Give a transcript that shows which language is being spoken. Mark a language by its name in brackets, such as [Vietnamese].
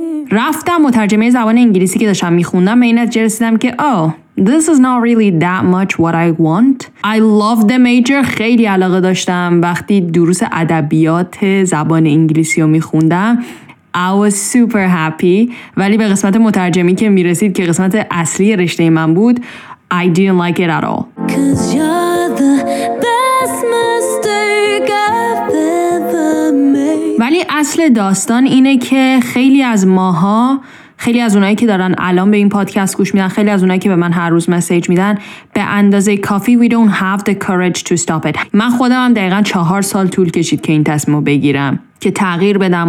[Persian] رفتم مترجمه زبان انگلیسی که داشتم میخوندم به این نتیجه رسیدم که [English] this is not really that much what I want. I love the major. [Persian] خیلی علاقه داشتم وقتی دروس ادبیات زبان انگلیسی رو میخوندم. [English] I was super happy. [Persian] ولی به قسمت مترجمی که میرسید که قسمت اصلی رشته من بود [English] I didn't like it at all. 'Cause you're the best mistake I've ever made. [Persian] ولی اصل داستان اینه که خیلی از ماها، خیلی از اونایی که دارن الان به این پادکست گوش میدن، خیلی از اونایی که به من هر روز مسیج میدن، به اندازه کافی [English] we don't have the courage to stop it. [Persian] من خودم هم دقیقاً 4 سال طول کشید که این تصمیمو بگیرم که تغییر بدم.